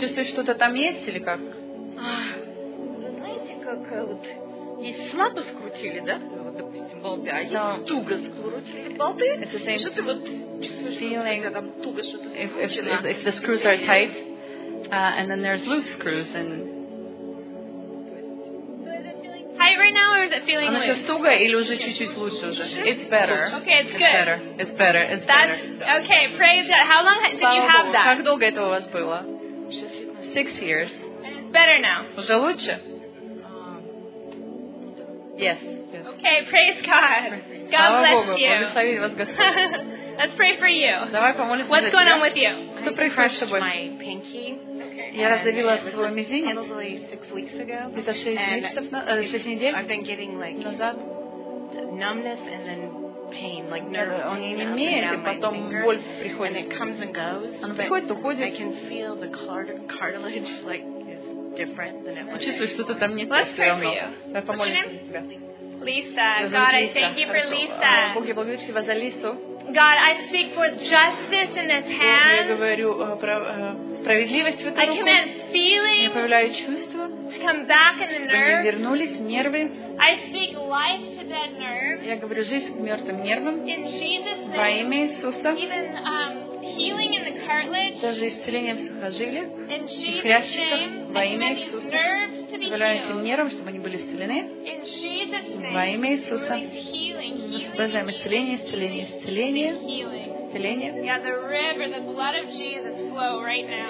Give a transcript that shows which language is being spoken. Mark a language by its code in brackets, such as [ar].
[ru] Чувствуешь, что-то там есть или как? Вы знаете, как вот есть слабо скрутили, да? Вот, допустим, болты, а есть туго скрутили болты. [en] It's the same. [ru] Что ты вот чувствуешь, что-то там туго что-то скручено? [en] If the screws are tight, and then there's loose screws, and... Tight right now, or is it feeling loose? [ru] Она туго или уже чуть-чуть лучше уже? [en] It's better. Okay, it's good. It's better. It's better. It's That's better. Okay. Praise God. How long did you have that? [ru] Как долго этого у вас было? [en] 6 years. And it's better now. [ru] Уже лучше? [en] Yes. Yes. Okay. Praise God. God bless you. [ru] Благослови вас Господь. [en] Let's pray for you. [ru] Давай помолимся. [en] What's going on with you? [ru] Кто прихожу с тобой? [en] My pinky. [ru] Я раздавила свой мизинец. Это 6 недель назад. [en] Numbness and then pain, like nerve. [ru] Он не имеет, и потом боль приходит. [en] And it comes and goes. [ru] Оно приходит, уходит. [en] I can feel the cartilage like is different than it was. [ru] Чувствую, что-то там не так. [en] Let's pray for you. [ru] Давай помолимся. [en] Lisa, God, I thank you for Lisa. [ru] Бог, я благодарю тебя за Лису. [en] God, I speak for justice in this hand. [ru] Я говорю про справедливость в этой руке. [en] I command feeling. [ru] Я повелеваю чувства. [en] To come back in the nerve. [ru] Чтобы вернулись нервы. [en] I speak life to dead nerves. [ru] Я говорю жизнь к мертвым нервам. [en] In Jesus' name. [ru] Во имя Иисуса. [en] Even healing in the cartilage. [ru] Даже исцеление в сухожилиях. [en] In Jesus' name. [ru] В хрящиках. Во имя Иисуса. Повелеваю этим нервам, чтобы они были исцелены. [en] In Jesus' name. [ru] Во имя Иисуса. Мы сопровождаем исцеление, исцеление, исцеление, исцеление. [en] Yeah, the river, the blood of Jesus flow right now.